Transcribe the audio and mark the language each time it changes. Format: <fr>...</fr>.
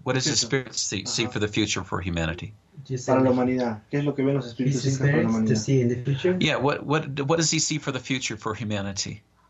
<en>What does his spirit see for the future for humanity?</en> <es>Para la humanidad. ¿Qué es lo que ven los espíritus incas para la humanidad?</es> <en>To see in the future? Yeah. What does he see for the future for humanity?</en>